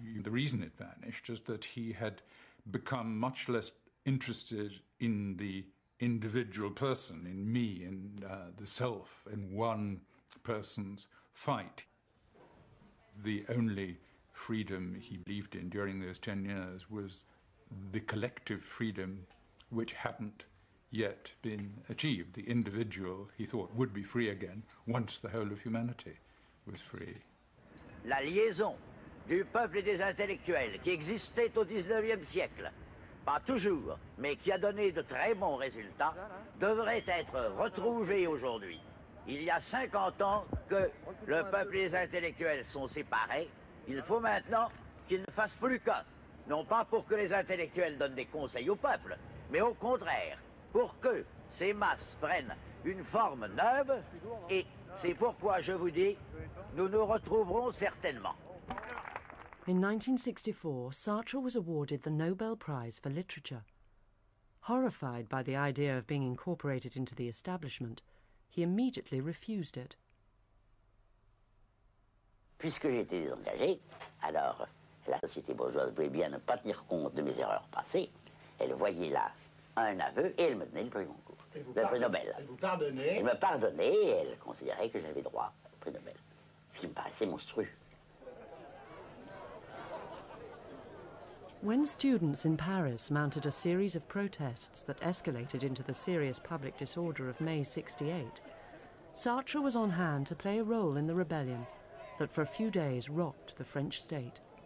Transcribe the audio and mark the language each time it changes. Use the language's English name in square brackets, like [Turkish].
[English] The reason it vanished is that he had become much less interested in the individual person, in me, in the self, in one person's fight. The only freedom he believed in during those 10 years was the collective freedom which hadn't yet been achieved. The individual, he thought, would be free again once the whole of humanity was free. [French] La liaison du peuple et des intellectuels qui existait au 19e siècle, pas toujours, mais qui a donné de très bons résultats, devrait être retrouvée aujourd'hui. Il y a 50 ans que le peuple et les intellectuels sont séparés. Il faut maintenant qu'ils ne fassent plus qu'un. Non pas pour que les intellectuels donnent des conseils au peuple, mais au contraire, pour que ces masses prennent une forme neuve. Et c'est pourquoi je vous dis, nous nous retrouverons certainement. [English] In 1964, Sartre was awarded the Nobel Prize for Literature. Horrified by the idea of being incorporated into the establishment, he immediately refused it. [French] Puisque j'ai été désengagé, alors la société bourgeoise voulait bien ne pas tenir compte de mes erreurs passées. Elle voyait là un aveu et elle me donnait le prix Goncourt, le prix Nobel. Elle vous pardonnait. Elle me pardonnait et elle considérait que j'avais droit au prix Nobel, ce qui me paraissait monstrueux. [English] When students in Paris mounted a series of protests that escalated into the serious public disorder of May 68, Sartre was on hand to play a role in the rebellion that for a few days rocked the French state.